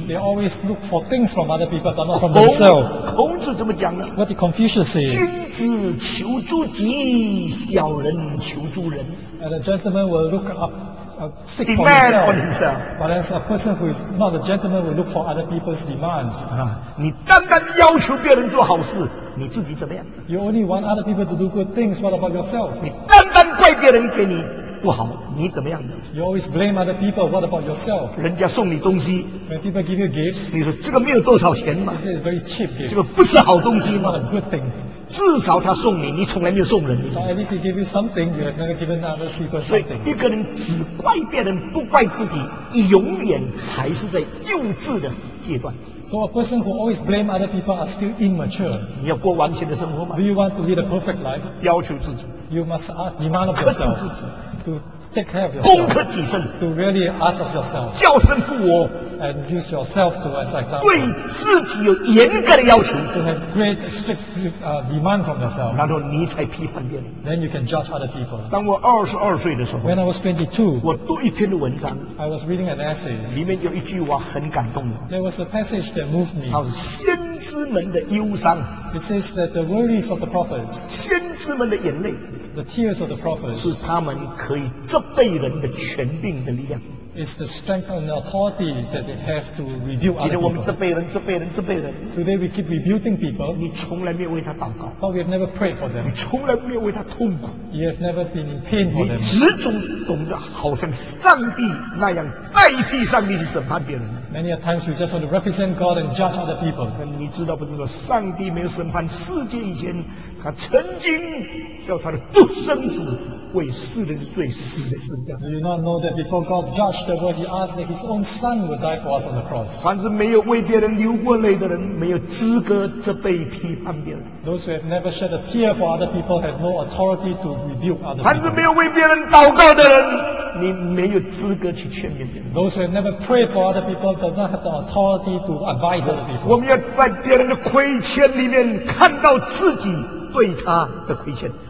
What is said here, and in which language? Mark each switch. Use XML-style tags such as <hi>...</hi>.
<en>They always look for things from other people, but not from themselves.</en> <zh>孔子怎么讲呢？</zh> <en>What did Confucius say?</en> <zh>君子求诸己，小人求诸人。</zh> <en>And a gentleman will look up. Demand on himself. But as a person who is not a gentleman will look for other people's demands.</en> <zh>你单单要求别人做好事，你自己怎么样？</zh> <en>You only want other people to do good things, what about yourself?</en> <zh>你单单怪别人给你不好，你怎么样？</zh> <en>You always blame other people, what about yourself?</en> <zh>人家送你东西，</zh> <en>when people give you gifts,</en> <zh>你说这个没有多少钱嘛？</zh> <en>Is it a very cheap gift?</en> <zh>这个不是好东西吗？</zh> <en>Not a good thing.</en> <zh>至少他送你，你从来没有送人。</zh> <en>But at least he gave you something, you have never given other people something.</en> <zh>所以一个人只怪别人，不怪自己，永远还是在幼稚的阶段。</zh> <en>So a person who always blame other people are still immature.</en> <zh>你要过完全的生活吗？</zh> <en>Do you want to lead a perfect life?</en> <zh>要求自己。</zh> <en>You must ask, demand of yourself.</en> <zh>克制自己。</zh> <en>To take care of yourself.</en> <zh>攻克己身。</zh> <en>To really ask of yourself.</en> <zh>叫声父我。</zh> <en>And use yourself to as an example.</en> <zh>对自己有严格的要求。</zh> <en>To have great strict demand from yourself.</en> <zh>然后你才批判别人。</zh> <en>Then you can judge other people.</en> <zh>当我22岁的时候。</zh> <en>When I was 22.</en> <zh>我读一篇文章。</zh> <en>I was reading an essay.</en> <zh>里面有一句话很感动。</zh> <en>There was a passage that moved me.</en> <zh>好，先知们的忧伤。</zh> <en>It says that the worries of the prophets.</en> <zh>先知们的眼泪。</zh> <en>The tears of the prophets.</en> <zh>是他们可以责备人的权柄的力量。</zh> <en>Is the strength and authority that they have to rebuke other people.</en> <zh>我们责备人，责备人，责备人。</zh> <en>Today we keep rebuking people.</en> <zh>你从来没有为他祷告。</zh> <en>But we have never prayed for them.</en> <zh>你从来没有为他痛苦。</zh> <en>You have never been in pain for them.</en> <zh>你始终懂得好像上帝那样代替上帝去审判别人。</zh> <en>Many a times you just want to represent God and judge other people.</en> <zh>但你知道不知道，上帝没有审判世界以前，他曾经叫他的独生子。为世人的罪死在十字架。</zh> <en>Do you not know that before God judged the world, He asked that His own Son would die for us on the cross?</en> <zh>凡是没有为别人流过泪的人，没有资格责备批判别人。</zh> <en>Those who have never shed a tear for other people have no authority to rebuke other people.</en> <zh>凡是没有为别人祷告的人，你没有资格去劝勉别人。</zh> <en>Those who have never prayed for other people does not have the authority to advise other people.</en> <zh>我们要在别人的亏欠里面看到自己对他的亏欠。</zh>